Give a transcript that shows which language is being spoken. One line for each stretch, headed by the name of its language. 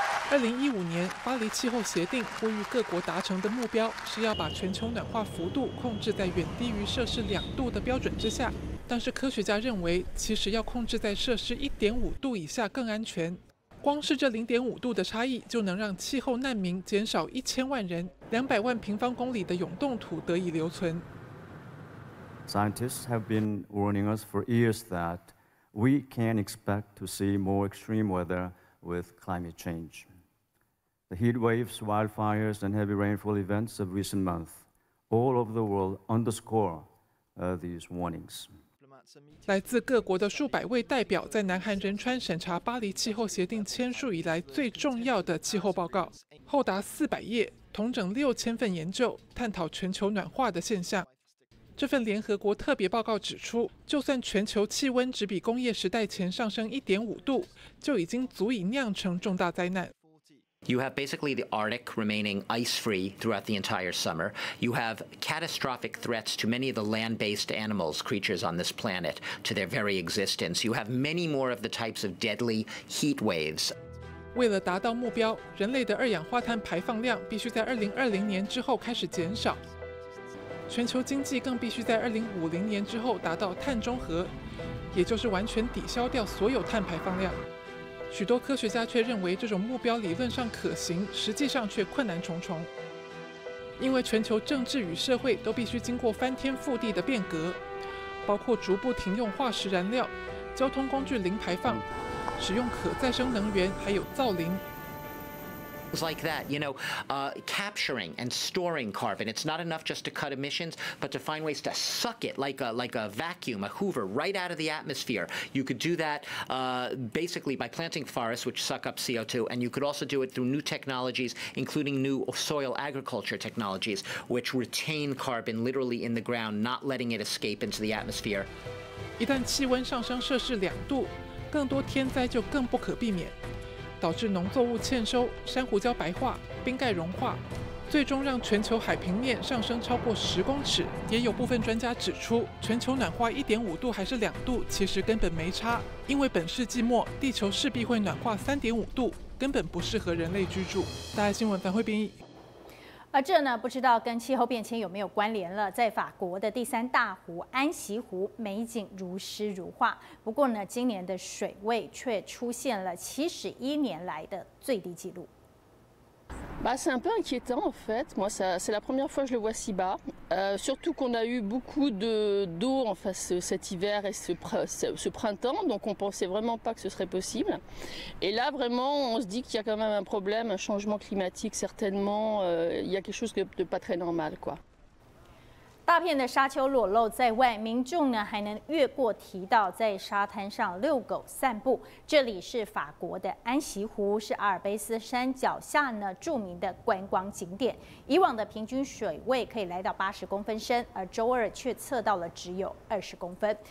Chinese: 2015年巴黎气候协定呼吁各国达成的目标是要把全球暖化幅度控制在远低于摄氏2度的标准之下，但是科学家认为，其实要控制在摄氏1.5度以下更安全。光是这0.5度的差异，就能让气候难民减少1000万人，200万平方公里的永冻土得以留存。
English: Scientists have been warning us for years that we can expect to see more extreme weather with climate change. The heat waves, wildfires, and heavy rainfall events of recent months all over the world underscore these warnings.
Chinese: 来自各国的数百位代表在南韩仁川审查巴黎气候协定签署以来最重要的气候报告，厚达400页，统整6000份研究，探讨全球暖化的现象。这份联合国特别报告指出，就算全球气温只比工业时代前上升1.5度，就已经足以酿成重大灾难。
English: You have basically the Arctic remaining ice-free throughout the entire summer. You have catastrophic threats to many of the land-based animals, creatures on this planet, to their very existence. You have many more of the types of deadly heat waves.
Chinese: 为了达到目标，人类的二氧化碳排放量必须在2020年之后开始减少。全球经济更必须在2050年之后达到碳中和，也就是完全抵消掉所有碳排放量。许多科学家却认为这种目标理论上可行，实际上却困难重重。因为全球政治与社会都必须经过翻天覆地的变革，包括逐步停用化石燃料、交通工具零排放、使用可再生能源，还有造林。
English: Like that, you know, capturing and storing carbon. It's not enough just to cut emissions, but to find ways to suck it like a vacuum, a Hoover, right out of the atmosphere. You could do that basically by planting forests, which suck up CO2, and you could also do it through new technologies, including new soil agriculture technologies, which retain carbon literally in the ground, not letting it escape into the atmosphere.
Chinese: 一旦气温上升摄氏两度，更多天灾就更不可避免，导致农作物欠收、珊瑚礁白化、冰盖融化，最终让全球海平面上升超过10公尺。也有部分专家指出，全球暖化1.5度还是2度，其实根本没差，因为本世纪末地球势必会暖化3.5度，根本不适合人类居住。大爱新闻樊慧斌。而这呢，不知道跟气候变迁有没有关联了？在法国的第三大湖安息湖，美景如诗如画。不过呢，今年的水位却出现了71年来的最低纪录。
French: Bah, c'est un peu inquiétant en fait. Moi, ça, c'est la première fois que je le vois si bas. Surtout qu'on a eu beaucoup d'eau en face cet hiver et ce printemps. Donc, on pensait vraiment pas que ce serait possible. Et là, vraiment, on se dit qu'il y a quand même un problème, un changement climatique certainement. Il y a quelque chose de pas très normal, quoi.
Chinese: 大片的沙丘裸露在外，民众呢还能越过堤道，在沙滩上遛狗散步。这里是法国的安息湖，是阿尔卑斯山脚下呢著名的观光景点。以往的平均水位可以来到80公分深，而周二却测到了只有20公分。